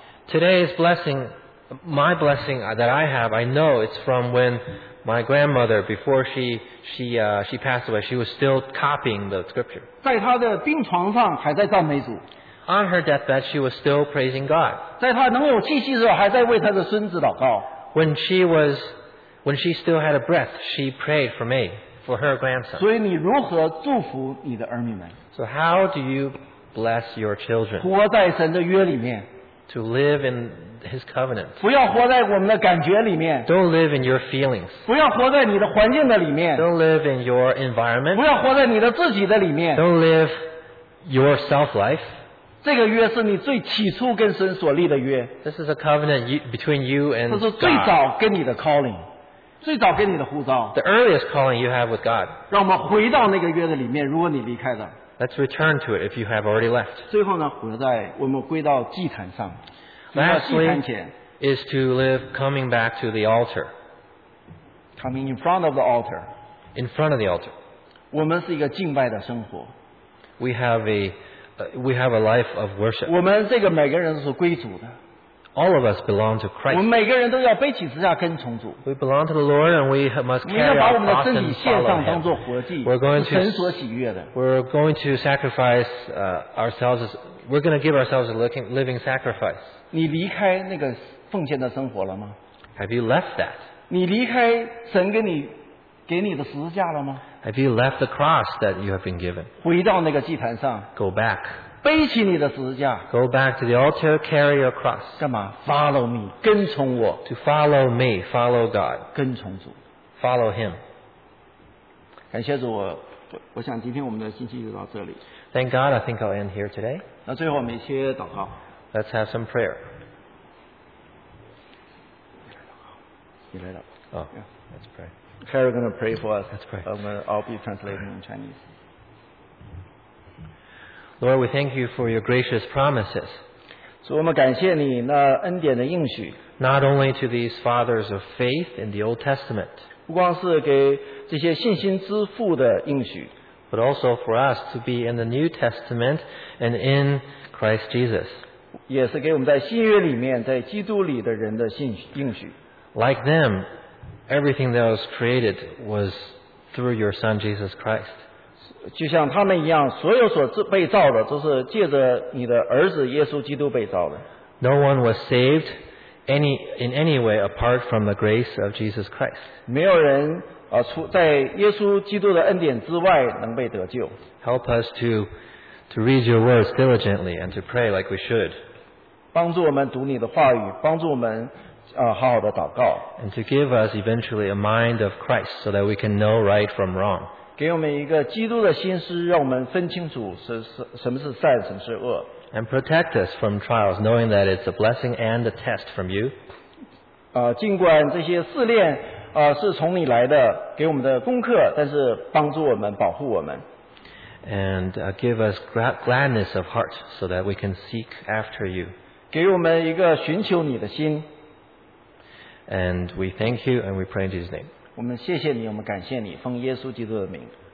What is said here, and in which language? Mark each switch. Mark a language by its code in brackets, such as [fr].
[en] Today's blessing, my blessing that I have, I know it's from when my grandmother, before she passed away, she was still copying the scripture. [zh] 在她的病床上还在赞美主。 [en] On her deathbed, she was still praising God. [zh] 在她能有气息的时候，还在为她的孙子祷告。 [en] When she still had a breath, she prayed for me. For her grandson. [zh] 所以你如何祝福你的儿女们？ [en] So how do you bless your children? [zh] 活在神的约里面。 [en] To live in His covenant. [zh] 不要活在我们的感觉里面。 [en] Don't live in your feelings. [zh] 不要活在你的环境的里面。 [en] Don't live in your environment. [zh] 不要活在你的自己的里面。 [en] Don't live your self life. [zh] 这个约是你最起初跟神所立的约。 [en] This is a covenant between you and God. [zh] 这是最早跟你的 calling。最早给你的呼召。 [en] The earliest calling you have with God. [zh] 让我们回到那个约的里面，如果你离开了。 [en] Let's return to it if you have already left. [zh] 最后呢，回在我们归到祭坛上。 [en] Lastly, is to live coming back to the altar. Coming in front of the altar. In front of the altar. [zh] 我们是一个敬拜的生活。 [en] We have a life of worship. [zh] 我们这个每个人是归主的。 [en] All of us belong to Christ. [zh] 我们每个人都要背起十字架跟从主。 [en] We belong to the Lord, and we must carry our cross and follow Him. [zh] 你要把我们的身体献上，当作活祭。 [en] We're going to [zh] 神所喜悦的。 [en] We're going to sacrifice ourselves. We're going to give ourselves a living sacrifice. [zh] 你离开那个奉献的生活了吗？ [en] Have you left that? [zh] 你离开神给你的十字架了吗？ [en] Have you left the cross that you have been given? [zh] 回到那个祭坛上。 [en] Go back. [zh] 背起你的十字架。 [en] Go back to the altar, carry your cross. [zh] 干嘛 ？ [en] Follow me, [zh] 跟从我。 [en] To follow me, follow God. [zh] 跟从主。 [en] Follow Him. [zh] 感谢主，我想今天我们的信息就到这里。 [en] Thank God, I think I'll end here today. [zh] 那最后我们一起祷告。 [en] Let's have some prayer. [zh] 你来祷告。 [en] Oh, yeah. Let's pray. Carrie is going to pray for us. Let's pray. I'm going to all be translating in Chinese. Lord, we thank you for your gracious promises. [zh] 主，我们感谢你那恩典的应许。 [en] Not only to these fathers of faith in the Old Testament. [zh] 不光是给这些信心之父的应许。 [en] But also for us to be in the New Testament and in Christ Jesus. [zh] 也是给我们在新约里面，在基督里的人的应许。 [en] Like them, everything that was created was through your Son Jesus Christ. [zh] 就像他们一样，所有所被造的都是借着你的儿子耶稣基督被造的。 [en] No one was saved in any way apart from the grace of Jesus Christ. [zh] 没有人在耶稣基督的恩典之外能被得救。 [en] Help us to read your words diligently and to pray like we should. [zh] 帮助我们读你的话语，帮助我们好好的祷告。 [en] And to give us eventually a mind of Christ so that we can know right from wrong. [zh] 给我们一个基督的心思，让我们分清楚什么是善，什么是恶。 [en] And protect us from trials, knowing that it's a blessing and a test from you. [zh] 尽管这些试炼是从你来的，给我们的功课，但是帮助我们，保护我们。 [en] And give us gladness of heart so that we can seek after you. [zh] 给我们一个寻求你的心。 [en] And we thank you and we pray in Jesus' name. [zh] 我们谢谢你，我们感谢你，奉耶稣基督的名。